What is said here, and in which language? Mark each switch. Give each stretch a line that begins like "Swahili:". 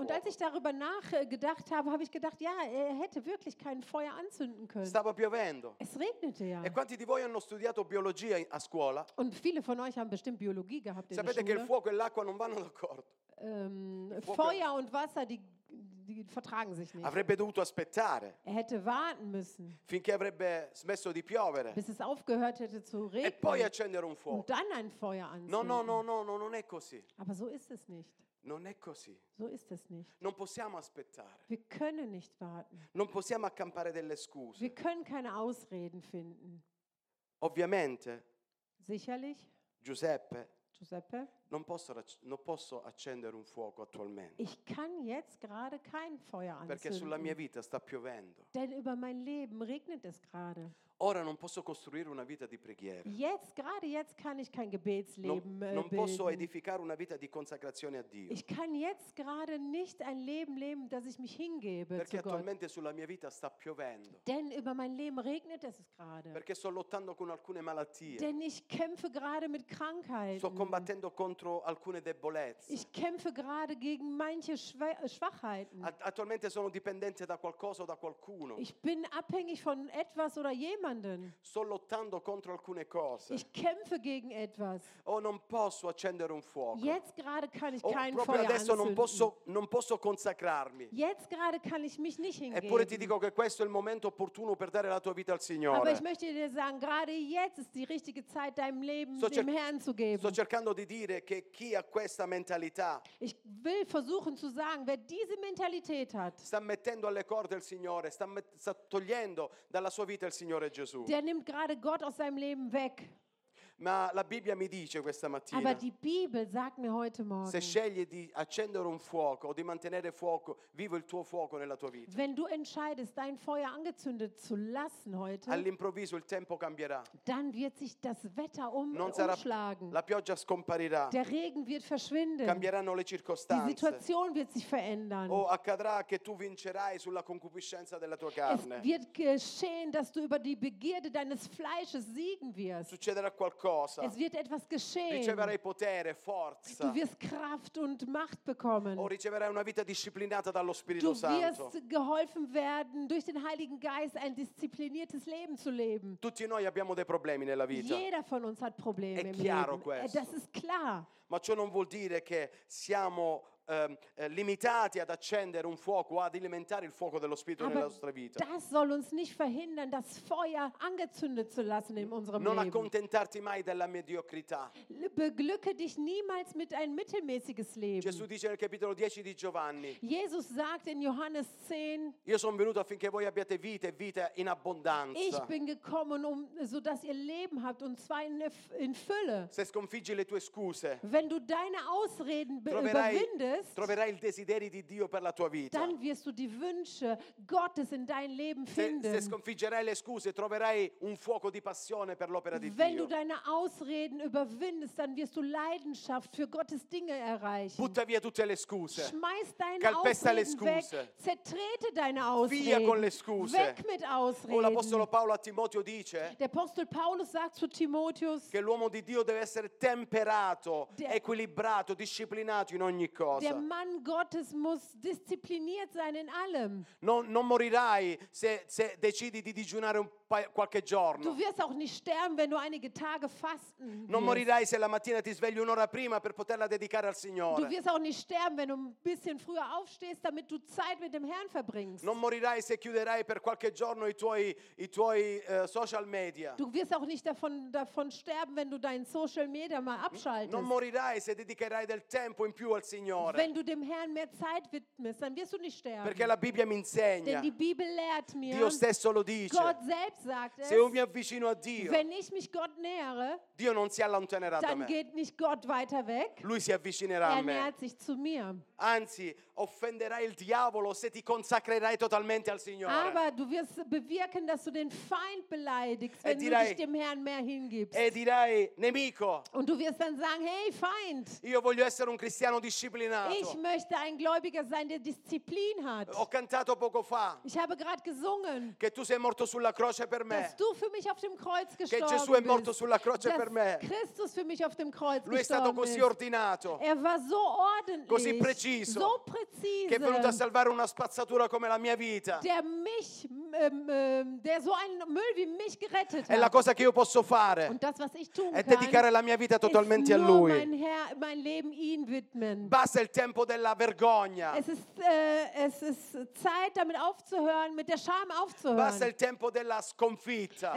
German: Und als ich darüber nachgedacht habe, habe ich gedacht, ja, er hätte wirklich kein Feuer anzünden können.
Italian: Stava piovendo.
German: Es regnete ja.
Italian: E quanti di voi hanno studiato biologia a scuola?
German: Und viele von euch haben bestimmt Biologie gehabt in der Schule.
Italian: Sapete che il fuoco e l'acqua non vanno d'accordo.
German: Feuer und Wasser, die vertragen sich nicht.
Italian: Avrebbe dovuto aspettare.
German: Er hätte warten müssen.
Italian: Finché avrebbe smesso di piovere.
German: Bis es aufgehört hätte zu regnen.
Italian: E poi accendere un fuoco.
German: Und dann ein Feuer anzünden.
Italian: No, non è così.
German: Aber so ist es nicht.
Italian: Non è così.
German: So ist es nicht.
Italian: Non possiamo aspettare.
German: Wir können nicht warten.
Italian: Non possiamo accampare delle scuse.
German: Wir können keine Ausreden finden.
Italian: Ovviamente.
German: Sicherlich.
Italian: Giuseppe. Non posso accendere un fuoco attualmente.
German: Ich kann jetzt gerade kein Feuer anzünden.
Italian: Perché sulla mia vita sta piovendo.
German: Denn über mein Leben regnet es gerade.
Italian: Ora non posso costruire una vita di preghiera.
German: Jetzt, gerade jetzt kann ich kein Gebetsleben bilden.
Italian: Non posso edificare una vita di consacrazione a Dio.
German: Ich kann jetzt gerade nicht ein Leben leben, dass ich mich hingebe
Italian: Perché
German: zu
Italian: attualmente
German: Gott.
Italian: Sulla mia vita sta piovendo.
German: Denn über mein Leben regnet es gerade.
Italian: Perché sto lottando con alcune malattie.
German: Denn ich kämpfe gerade mit Krankheiten.
Italian: Sto combattendo contro alcune debolezze.
German: Ich kämpfe gerade gegen manche Schwachheiten.
Italian: Attualmente sono dipendente da qualcosa o da qualcuno.
German: Ich bin abhängig von etwas oder jemandem.
Italian: Sto lottando contro alcune cose.
German: Ich kämpfe gegen etwas.
Italian: Oh, non posso accendere un fuoco.
German: Jetzt gerade kann ich kein
Italian: proprio
German: Feuer
Italian: adesso
German: anzünden.
Italian: non posso consacrarmi.
German: Jetzt gerade kann ich mich nicht hingeben.
Italian: Eppure ti dico che questo è il momento opportuno per dare la tua vita al Signore.
German: Aber ich möchte dir sagen, gerade jetzt ist die richtige Zeit, deinem Leben dem Herrn zu geben.
Italian: Sto cercando di dire che chi ha questa mentalità.
German: Ich will versuchen zu sagen, wer diese Mentalität hat.
Italian: Sta mettendo alle corde il Signore, sta togliendo dalla sua vita il Signore.
German: Der nimmt gerade Gott aus seinem Leben weg.
Italian: Ma la Bibbia mi dice questa mattina.
German: Aber die Bibel sagt mir heute morgen.
Italian: Se scegli di accendere un fuoco o di mantenere fuoco, vivo il tuo fuoco nella tua vita.
German: Wenn du entscheidest, dein Feuer angezündet zu lassen heute.
Italian: All'improvviso il tempo cambierà.
German: Dann wird sich das Wetter umschlagen.
Italian: La pioggia scomparirà.
German: Der Regen wird verschwinden.
Italian: Cambieranno le circostanze.
German: Die Situation wird sich verändern.
Italian: O accadrà che tu vincerai sulla concupiscenza della tua carne.
German: Es wird geschehen, dass du über die Begierde deines Fleisches siegen wirst.
Italian: Succederà qualcosa. qualcosa.
German: Es wird etwas geschehen.
Italian: Riceverai potere, forza.
German: Du wirst Kraft und Macht bekommen.
Italian: O riceverai una vita disciplinata dallo Spirito Santo.
German: Du wirst geholfen werden, durch den Heiligen Geist ein diszipliniertes Leben zu leben.
Italian: Tutti noi abbiamo dei problemi nella vita.
German: Jeder von uns hat Probleme im Leben.
Italian: È chiaro questo.
German: Das ist klar.
Italian: Ma ciò non vuol dire che siamo limitati ad accendere un fuoco, ad alimentare il fuoco dello Spirito
German: Aber
Italian: nella nostra vita.
German: Das soll uns nicht verhindern, das Feuer angezündet zu lassen in unserem
Italian: non
German: Leben.
Italian: Non accontentarti mai della mediocrità.
German: Beglücke dich niemals mit ein mittelmäßiges Leben.
Italian: Gesù dice nel capitolo 10 di Giovanni.
German: Jesus sagt in Johannes 10.
Italian: Io sono venuto affinché voi abbiate vita e vita in abbondanza.
German: Ich bin gekommen, um so dass ihr Leben habt und zwar in Fülle.
Italian: Se sconfiggi le tue scuse.
German: Wenn du deine Ausreden überwindest.
Italian: Troverai il desiderio di Dio per la tua vita.
German: Dann wirst du die Wünsche Gottes in dein Leben finden.
Italian: Se sconfiggerai le scuse, troverai un fuoco di passione per l'opera di Dio.
German: Wenn du deine Ausreden überwindest, dann wirst du Leidenschaft für Gottes Dinge erreichen.
Italian: Butta via tutte le scuse.
German: Schmeiß deine
Italian: Calpesta
German: Ausreden weg. Zertrete deine Ausreden.
Italian: Via con le scuse.
German: Weg mit Ausreden.
Italian: O l'Apostolo Paolo a Timoteo dice.
German: Der Apostel Paulus sagt zu Timotheus.
Italian: Che l'uomo di Dio deve essere temperato, equilibrato, disciplinato in ogni cosa.
German: Der Mann Gottes muss diszipliniert sein in allem.
Italian: Non morirai se decidi di digiunare qualche giorno.
German: Du wirst auch nicht sterben, wenn du einige Tage fasten.
Italian: Non morirai se la mattina ti svegli un'ora prima per poterla dedicare al Signore.
German: Du wirst auch nicht sterben, wenn du ein bisschen früher aufstehst, damit du Zeit mit dem Herrn verbringst.
Italian: Non morirai se chiuderai per qualche giorno i tuoi social media.
German: Du wirst auch nicht davon sterben, wenn du dein Social Media mal abschaltest.
Italian: Non morirai se dedicherai del tempo in più al Signore.
German: Wenn du dem Herrn mehr Zeit widmest, dann wirst du nicht sterben.
Italian: Perché la Bibbia mi insegna.
German: Denn die Bibel lehrt mir.
Italian: Dio stesso lo dice.
German: Gott selbst sagt es,
Italian: se io mi avvicino a Dio,
German: wenn ich mich Gott nähere,
Italian: Dio non si allontanerà
German: dann
Italian: da me.
German: Geht nicht Gott weiter weg,
Italian: lui si avvicinerà
German: er
Italian: a me.
German: Nähert sich zu mir.
Italian: Anzi, offenderai il diavolo se ti consacrerai totalmente al Signore.
German: Aber du wirst bewirken, dass du den Feind beleidigst, wenn
Italian: dirai,
German: du dich dem Herrn mehr hingibst.
Italian: E dirai, nemico.
German: Und du wirst dann sagen, hey Feind.
Italian: Io voglio essere un cristiano disciplinato.
German: Ich möchte ein Gläubiger sein, der Disziplin hat.
Italian: Ho cantato poco fa.
German: Ich habe gerade gesungen.
Italian: Che tu sei morto sulla croce per me.
German: Dass du für mich auf dem Kreuz gestorben bist.
Italian: Che Gesù è morto sulla croce
German: dass
Italian: per me.
German: Christus für mich auf dem Kreuz
Italian: lui
German: gestorben
Italian: è stato così
German: ist.
Italian: Ordinato.
German: Er war so ordentlich.
Italian: Così preciso.
German: So präzise,
Italian: che è venuto a salvare una spazzatura come la mia vita.
German: Der mich, der so einen Müll wie mich gerettet
Italian: è la cosa che io posso fare.
German: Und das, was ich tun
Italian: è dedicare
German: kann,
Italian: la mia vita totalmente a lui.
German: Mein Leben ihm widmen.
Italian: Basta il tempo della vergogna.
German: Es ist Zeit damit aufzuhören, mit der Scham aufzuhören.
Italian: Basta il tempo della sconfitta.